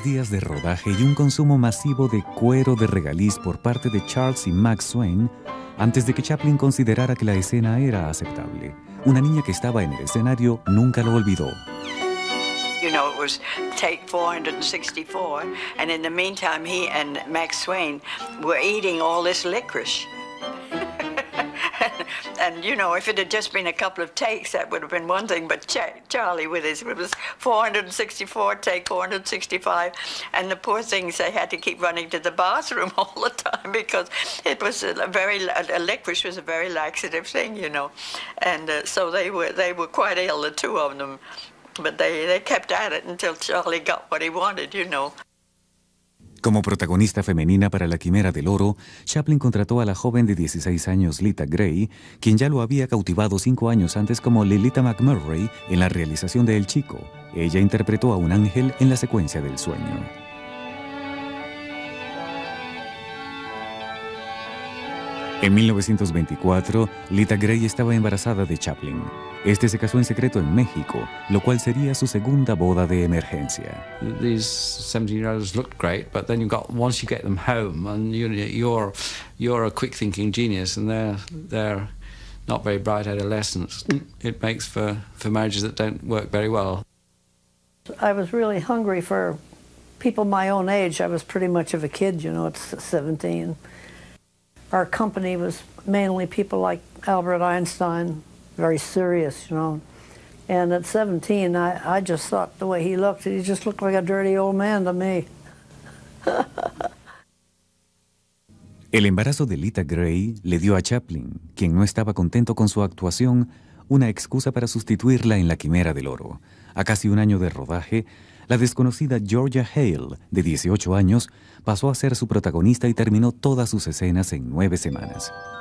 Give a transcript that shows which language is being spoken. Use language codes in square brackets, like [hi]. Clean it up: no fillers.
[es] De rodaje y un consumo masivo de cuero de regaliz por parte de Charles y Max Swain antes de que Chaplin considerara que la escena era aceptable. Una niña que estaba en el escenario nunca lo olvidó. [en] You know, it was take 464, and in the meantime, he and Max Swain were eating all this licorice. And you know, if it had just been a couple of takes, that would have been one thing. But Charlie, with his, it was 464, take 465, and the poor things, they had to keep running to the bathroom all the time because it was a licorice was a very laxative thing, you know. And so they were quite ill, the two of them, but they kept at it until Charlie got what he wanted, you know. [es] Como protagonista femenina para La Quimera del Oro, Chaplin contrató a la joven de 16 años Lita Gray, quien ya lo había cautivado 5 años antes como Lilita McMurray en la realización de El Chico. Ella interpretó a un ángel en la secuencia del sueño. En 1924, Lita Gray estaba embarazada de Chaplin. Este se casó en secreto en México, lo cual sería su segunda boda de emergencia. [en] These 17-year-olds look great, but then once you get them home, and you're a quick-thinking genius, and they're not very bright adolescents. It makes for marriages that don't work very well. I was really hungry for people my own age. I was pretty much of a kid, you know. It's 17. Our company was mainly people like Albert Einstein, very serious, you know. And at 17, I just thought the way he looked, he just looked like a dirty old man to me. [es] El embarazo de Lita Gray le dio a Chaplin, quien no estaba contento con su actuación, una excusa para sustituirla en La Quimera del Oro. A casi un año de rodaje, la desconocida Georgia Hale, de 18 años, pasó a ser su protagonista y terminó todas sus escenas en 9 semanas.